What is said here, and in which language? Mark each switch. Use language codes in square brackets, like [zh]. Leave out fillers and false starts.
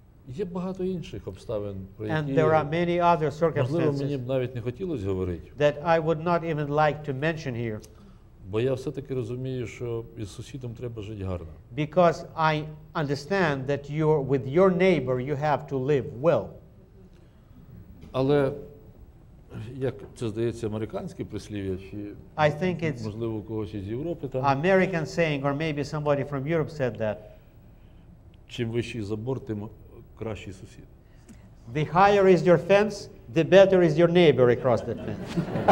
[uk] Є багато інших обставин, про які [en] And there are many other circumstances, [uk] можливо, мені б навіть не хотілося говорити. [en] That I would not even like to mention here. [uk] Бо я все-таки розумію, що із сусідом треба жити гарно. [en] Because I understand that with your neighbor you have to live well. [uk] Але як це здається американське прислів'я чи [en] I think it's [uk] можливо когось із Європи там [en] American saying or maybe somebody from Europe said that. [uk] Чим вищий забор, тим кращий сусід. [en] The higher is your fence, the better is your neighbor across that fence.